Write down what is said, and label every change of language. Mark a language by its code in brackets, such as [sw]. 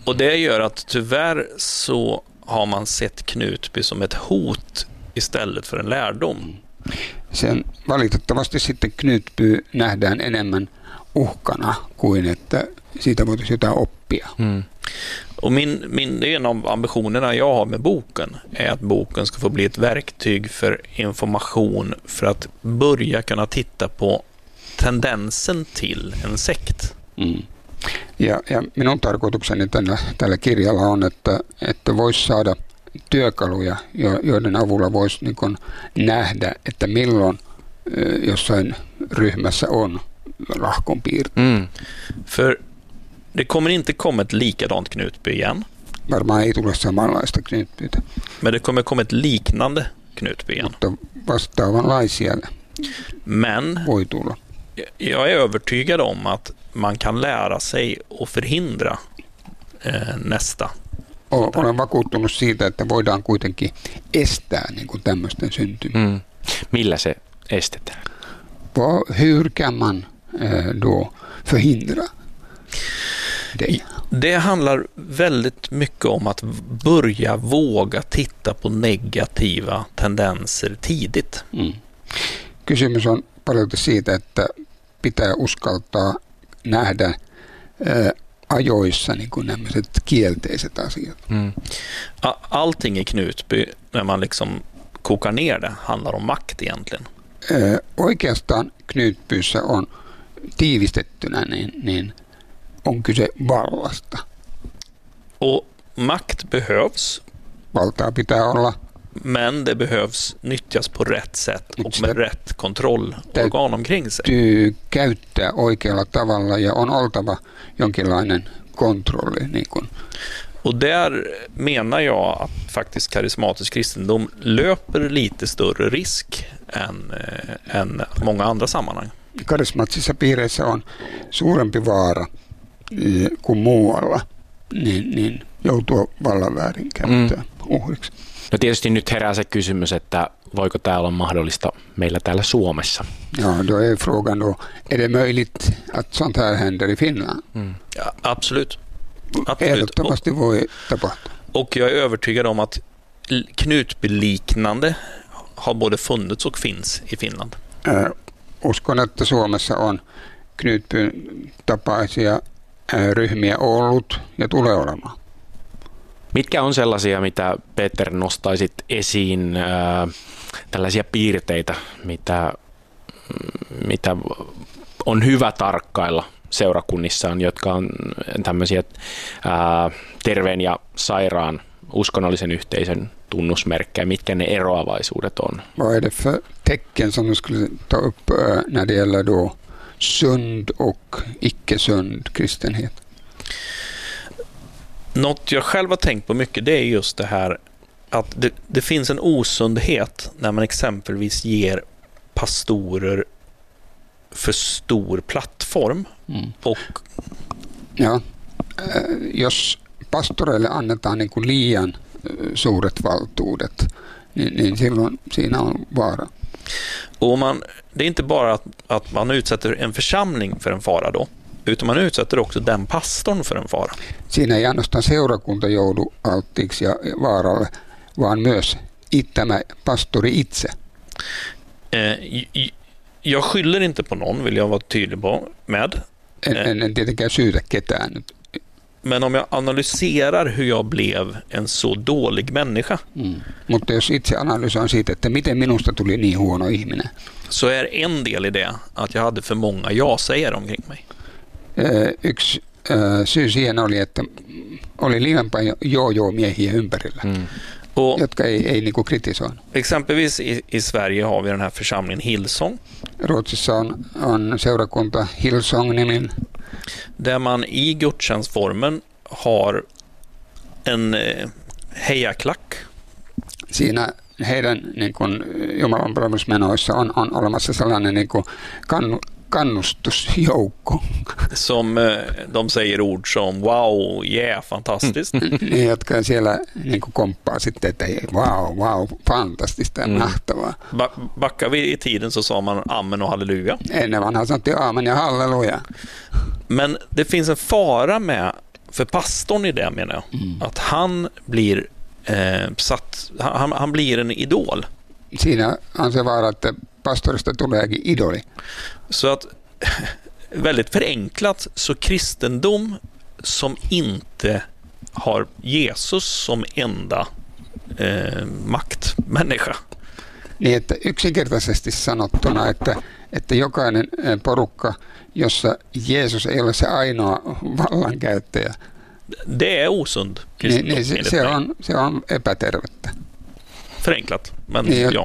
[sv] Och det gör att tyvärr så har man sett Knutby som ett hot istället för en lärdom. [fi] Sen valitettavasti sitten Knutby nähdään enemmän uhkana kuin että siitä voitaisiin jotain oppia. Mm. [sv] Och min en av ambitionerna jag har med boken är att boken ska få bli ett verktyg för information för att börja kunna titta på tendensen till en sekt. Mm. [fi] Ja minun tarkoitukseni tällä kirjalla on, että voisi saada työkaluja, joiden avulla voisi niin kuin nähdä, että milloin jossain ryhmässä on lahkon piirte. Mm. [sv] För det kommer inte komma ett likadant Knutby igen. [fi] Varmaan ei tule samanlaista Knutbyä. [sv] Men det kommer komma ett liknande Knutby igen. [fi] Mutta vastaavanlaisia voi tulla. [sv] Jag är övertygad om att man kan lära sig och förhindra nästa. [fi] Olen vakuuttunut siitä, että voidaan kuitenkin estää niin kuin tämmöisten syntymiä. Mm. Millä se estetään? [sv] Hur kan man då förhindra det? Det handlar väldigt mycket om att börja våga titta på negativa tendenser tidigt. Mm. [fi] Kysymys on paljon siitä, että pitää uskaltaa nähdä ajoissa niin kuin nämmöiset kielteiset asiat. Mm. [sv] Allting i Knutby, när man liksom kokar ner det, handlar om makt egentligen. [fi] Oikeastaan Knutbyssä on tiivistettynä, niin on kyse vallasta. [sv] Och makt behövs. [fi] Valtaa pitää olla. [sv] Men det behövs nyttjas på rätt sätt och med rätt kontrollorgan omkring sig. [fi] Täytyy käyttää oikealla tavalla ja on oltava jonkinlainen kontrolli. Niin kun. [sv] Och där menar jag att faktiskt karismatisk kristendom löper lite större risk än många andra sammanhang. [fi] Karismatisissa piireissä on suurempi vaara kuin muualla, niin joutuu vallan väärinkäyttöön uhriksi. No tietysti nyt herää se kysymys, että voiko tämä olla mahdollista meillä täällä Suomessa? Joo, [sv] då är frågan då, är det möjligt att sånt här händer i Finland? Absolut. [fi] Ehdottomasti voi tapahtua. [sv] Och jag är övertygad om att Knutby-liknande har både funnits och finns i Finland. [fi] Uskon, että Suomessa on Knutby-tapaisia ryhmiä ollut ja tulee olemaan. Mitkä on sellaisia, mitä Peter nostaisit esiin, tällaisia piirteitä, mitä on hyvä tarkkailla seurakunnissaan, jotka on tämmöisiä terveen ja sairaan uskonnollisen yhteisön tunnusmerkkejä, mitkä ne eroavaisuudet on? [sv] Vad är det för tecken som du skulle ta upp när det gäller då sund och icke-sund kristenhet? Något jag själv har tänkt på mycket, det är just det här att det finns en osundhet när man exempelvis ger pastorer för stor plattform. Och [fi] ja, jos pastoreille annetaan niin kuin liian suuret valtuudet, niin silloin siinä on vaara. [sv] Och det är inte bara att man utsätter en församling för en fara då, utan man utsätter också den pastorn för en fara. [fi] Siinä ei ainoastaan seurakunta joudu alttiiksi ja vaaralle, vaan myös tämä pastori itse. [sv] Jag skyller inte på någon, vill jag vara tydlig med. [fi] En tietenkään syytä ketään. [sv] Men om jag analyserar hur jag blev en så dålig människa. [fi] Mutta jos itse analysoin siitä, että miten minusta tuli niin huono ihminen. [sv] Så är en del i det att jag hade för många ja-säger omkring mig. [fi] Yksi syy siihen oli, että oli liian paljon joo-joo miehiä ympärillä. Mm. [sv] Och [fi] jotka [sv] är [fi] niinku kritisoin. [sv] Exempelvis i Sverige har vi den här församlingen Hillsong. [fi] Ruotsissa on seurakunta Hillsong nimin. [sv] Där man i gudstjänstformen har en hejaklack. [fi] Siinä heidän niinku Jumalan palvelusmenoissa on olemassa sellainen niinku kannustusjoukko. [sv] Som de säger ord som [en] wow, yeah, [sv] fantastiskt. [fi] Niin, jotka siellä niin kuin komppaa sitten, että wow, fantastista ja mahtavaa. [sv] Backar vi i tiden så sa man amen och halleluja. [fi] Ennen vanha sanottiin amen ja halleluja. [sv] Men det finns en fara med, för pastorn i det menar jag, att han blir satt, han blir en idol. [fi] Siinä on se vara, että pastorista tuleekin idoli. [sv] Så att väldigt förenklat, så kristendom som inte har Jesus som enda maktmänniska. [fi] Niin, että yksinkertaisesti sanottuna, että jokainen porukka, jossa Jeesus ei ole se ainoa vallankäyttäjä. [sv] Det är osund kristendom. [fi] Niin, se on epätervettä. [sv] Förenklat, men [fi] niin, joo.